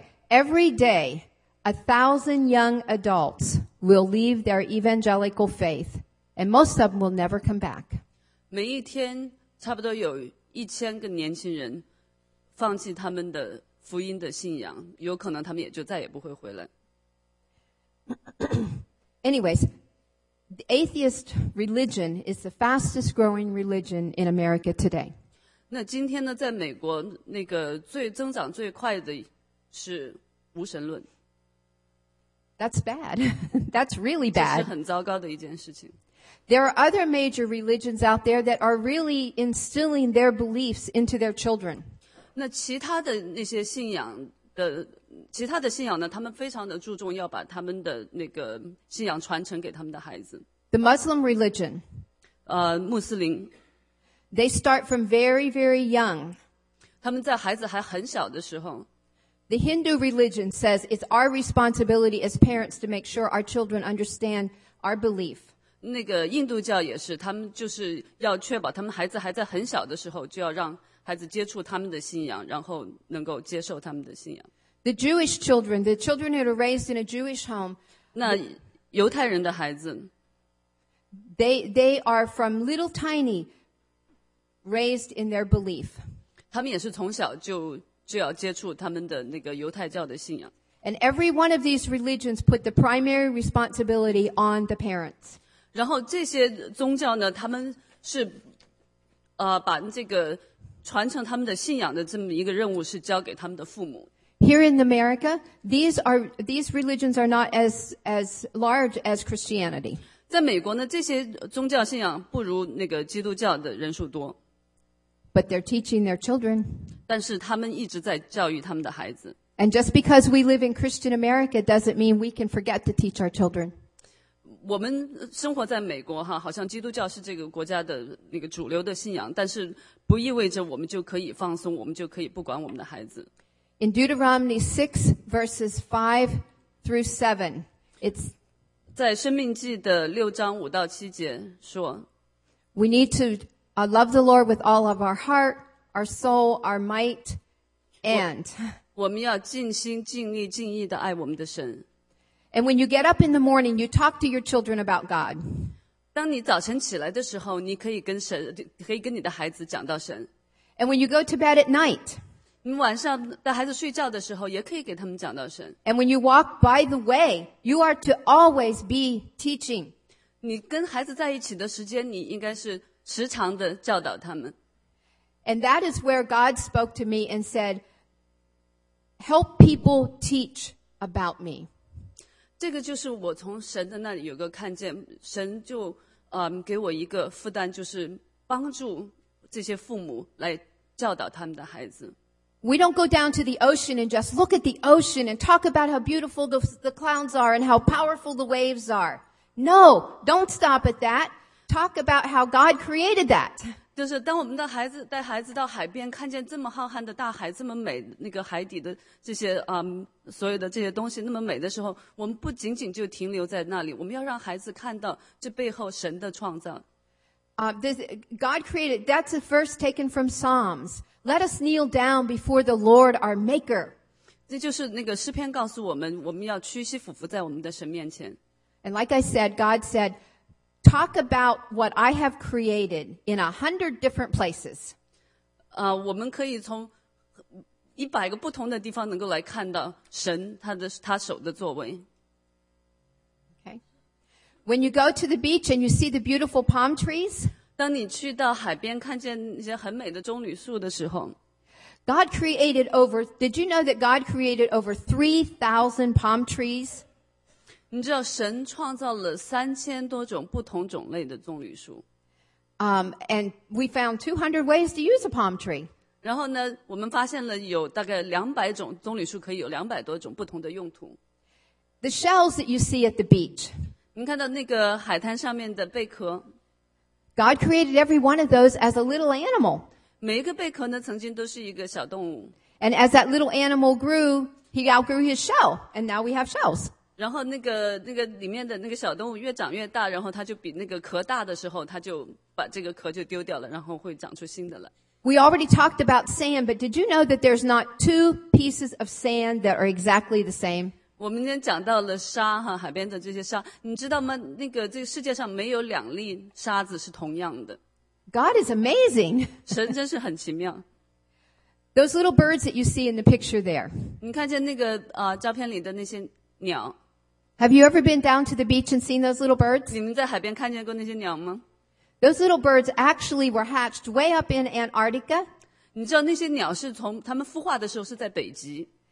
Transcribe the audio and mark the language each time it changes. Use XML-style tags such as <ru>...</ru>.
<en>every day, 1,000 young adults will leave their evangelical faith, and most of them will never come back.</en> <zh>每一天差不多有1000个年轻人放弃他们的福音的信仰，有可能他们也就再也不会回来。</zh> <en>Anyways,The atheist religion is the fastest growing religion in America today.</en> <zh>那今天呢，在美国那个最增长最快的是无神论。</zh> <en>That's bad. That's really bad.</en> <zh>这是很糟糕的一件事情。</zh> <en>There are other major religions out there that are really instilling their beliefs into their children.</en> <zh>那其他的那些信仰的其他的信仰呢，他们非常的注重要把他们的那个信仰传承给他们的孩子。</zh> <en>The Muslim religion,</en> <zh>穆斯林</zh> <en>，they start from very very young.</en> <zh>他们在孩子还很小的时候。</zh> <en>The Hindu religion says it's our responsibility as parents to make sure our children understand our belief.</en> <zh>那个印度教也是，他们就是要确保他们孩子还在很小的时候，就要让孩子接触他们的信仰，然后能够接受他们的信仰。</zh> <en>The Jewish children, the children that are raised in a Jewish home,</en> <zh>那犹太人的孩子</zh> <en>they are from little tiny raised in their belief.</en> <zh>他们也是从小就要接触他们的那个犹太教的信仰。</zh> <en>And every one of these religions put the primary responsibility on the parents.</en> <zh>然后这些宗教呢，他们是把这个传承他们的信仰的这么一个任务是交给他们的父母。</zh> <en>Here in America, these religions are not as large as Christianity.</en> <zh>在美国呢，这些宗教信仰不如那个基督教的人数多。</zh> <en>But they're teaching their children.</en> <zh>但是他们一直在教育他们的孩子。</zh> <en>And just because we live in Christian America doesn't mean we can forget to teach our children.</en> <zh>我们生活在美国哈，好像基督教是这个国家的那个主流的信仰，但是不意味着我们就可以放松，我们就可以不管我们的孩子。</zh> <en>In Deuteronomy 6 verses 5 through 7, it's</en> <zh>在《生命记》的六章五到七节说</zh> <en>，We need to love the Lord with all of our heart, our soul, our might, and</en> <zh>我们要尽心尽力尽意的爱我们的神。</zh> <en>And when you get up in the morning, you talk to your children about God.</en> <zh>当你早晨起来的时候，你可以跟神，可以跟你的孩子讲到神。</zh> <en>And when you go to bed at night.</en> <zh>你晚上带孩子睡觉的时候，也可以给他们讲到神。</zh> <en>And when you walk by the way, you are to always be teaching.</en> <zh>你跟孩子在一起的时间，你应该是时常的教导他们。</zh> <en>And that is where God spoke to me and said, "Help people teach about me."</en> <zh>这个就是我从神的那里有个看见，神就给我一个负担，就是帮助这些父母来教导他们的孩子。</zh> <en>We don't go down to the ocean and just look at the ocean and talk about how beautiful the clouds are and how powerful the waves are. No, don't stop at that. Talk about how God created that.</en> <zh>就是当我们的孩子带孩子到海边，看见这么浩瀚的大海，这么美，那个海底的这些所有的这些东西那么美的时候，我们不仅仅就停留在那里，我们要让孩子看到这背后神的创造。</zh> <en>God created, that's a verse taken from Psalms. Let us kneel down before the Lord our Maker.</en> <zh>这就是那个诗篇告诉我们，我们要屈膝俯伏在我们的神面前。</zh> <en>And like I said, God said, talk about what I have created in 100 different places.</en> <zh>我们可以从100个不同的地方能够来看到神他手的作为。</zh> <en>When you go to the beach and you see the beautiful palm trees,</en> <zh>当你去到海边看见那些很美的棕榈树的时候，</zh> <en>God created over, did you know that God created over 3,000 palm trees?</en> <zh>你知道神创造了3000多种不同种类的棕榈树。</zh> <en>And we found 200 ways to use a palm tree.</en> <zh>然后呢，我们发现了有大概200种棕榈树可以有200多种不同的用途。</zh> <en>The shells that you see at the beach,</en> <zh>你看到那个海滩上面的贝壳，</zh> <en>God created every one of those as a little animal.</en> <zh>每一个贝壳呢，曾经都是一个小动物。</zh> <en>And as that little animal grew, he outgrew his shell, and now we have shells.</en> <zh>然后那个里面的那个小动物越长越大，然后它就比那个壳大的时候，它就把这个壳就丢掉了，然后会长出新的来。</zh> <en>We already talked about sand, but did you know that there's not two pieces of sand that are exactly the same?</en> <zh>我们今天讲到了沙哈，海边的这些沙，你知道吗？那个这个世界上没有两粒沙子是同样的。</zh> <en>God is amazing.</en> <zh>神真是很奇妙。</zh> <en>Those little birds that you see in the picture there.</en> <zh>你看见那个照片里的那些鸟。</zh> <en>Have you ever been down to the beach and seen those little birds?</en> <zh>你们在海边看见过那些鸟吗？</zh> <en>Those little birds actually were hatched way up in Antarctica.</en> <zh>你知道那些鸟是从它们孵化的时候是在北极。</zh>